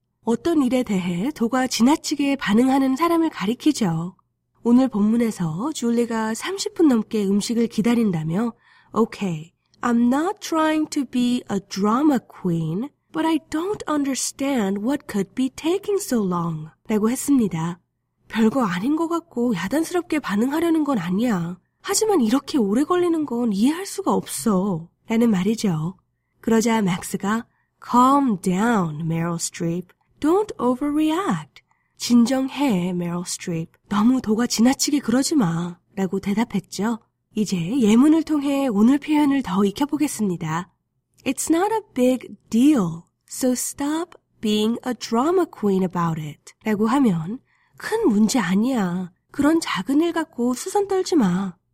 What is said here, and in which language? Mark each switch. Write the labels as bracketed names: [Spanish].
[Korean] 어떤 일에 대해 도가 지나치게 반응하는 사람을 가리키죠. 오늘 본문에서 줄리가 30분 넘게 음식을 기다린다며, [English] Okay. I'm not trying to be a drama queen, but I don't understand what could be taking so long. [Korean] 라고 했습니다. 별거 아닌 것 같고 야단스럽게 반응하려는 건 아니야. 하지만 이렇게 오래 걸리는 건 이해할 수가 없어. 라는 말이죠. 그러자 맥스가 [English] Calm down, Meryl Streep. Don't overreact. [Korean] 진정해, [English] Meryl Streep. [Korean] 너무 도가 지나치게 그러지 마. 라고 대답했죠. 이제 예문을 통해 오늘 표현을 더 익혀보겠습니다. [English] It's not a big deal, so stop being a drama queen about it. [Korean] 라고 하면 큰 문제 아니야. 그런 작은 일 갖고 수선 떨지 마.